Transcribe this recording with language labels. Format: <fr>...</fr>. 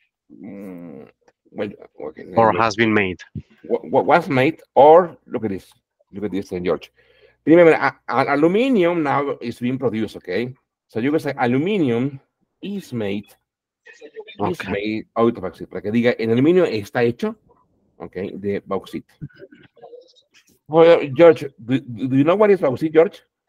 <en>Well, okay, or has been made. What was made, or look at this, St. George. Remember, aluminium now is being produced, okay? So you can say aluminium is made, okay. Is made out of bauxite.</en> <es>Para que diga, el aluminio está hecho, okay, de bauxite.</es> <en>Well, George, do you know what is bauxite, George?</en>